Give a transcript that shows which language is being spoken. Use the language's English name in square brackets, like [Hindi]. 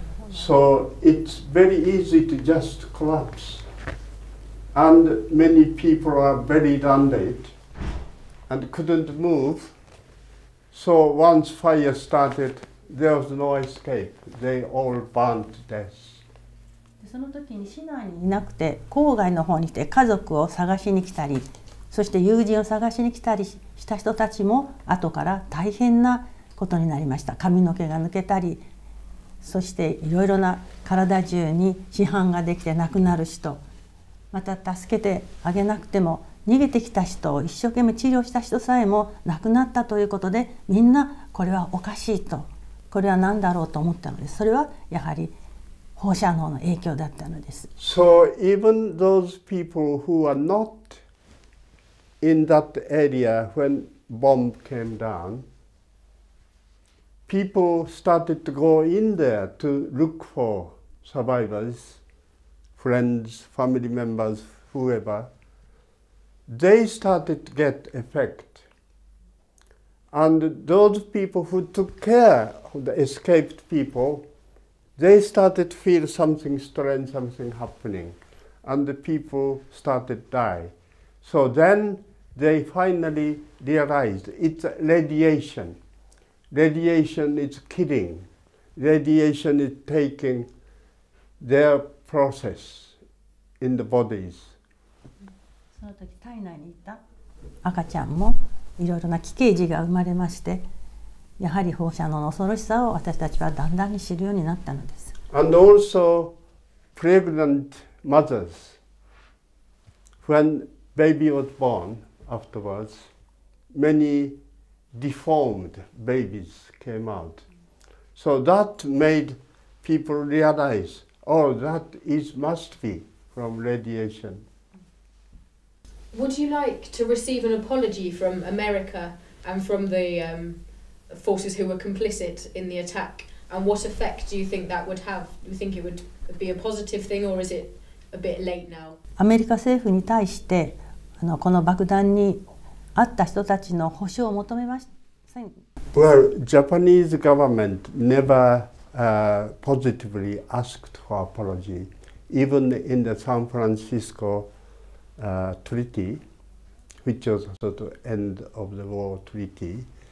[English] So it's very easy to just collapse. And many people are very landed and couldn't move. So once fire started, there was no escape. They all burned to death. [Japanese] その時に市内にいなくて、郊外の方にいて家族を探しに来たり、そして友人を探しに来たりした人たちも後から大変なことになりました。髪の毛が抜けたり、そしていろいろな体中に死斑ができて亡くなる人、また助けてあげなくても逃げてきた人を一生懸命治療した人さえも亡くなったということで、みんなこれはおかしいと、これは何だろうと思ったので、それはやはり放射能の影響だったのです。 [English] So even those people who are not in that area when bomb came down,People started to go in there to look for survivors, friends, family members, whoever. They started to get effect. And those people who took care of the escaped people, they started to feel something strange, something happening. And the people started to die. So then they finally realized it's radiation. Radiation is killing. Radiation is taking their process in the bodies. [Japanese] その時体内にいた赤ちゃんもいろいろな奇形児が生まれまして、やはり放射能の恐ろしさを私たちはだんだんに知るようになったのです。 [English] And also pregnant mothers, when baby was born afterwards, many. Deformed babies came out. So that made people realize, oh, that is must be from radiation. Would you like to receive an apology from America and from the forces who were complicit in the attack? And what effect do you think that would have? Do you think it would be a positive thing, or is it a bit late now? [Japanese] アメリカ政府に対して、この爆弾にあった人たちの補償を求めました。 [English] Well, Japanese government never positively asked for apology, even in the San Francisco treaty, which was sort of end of the war treaty.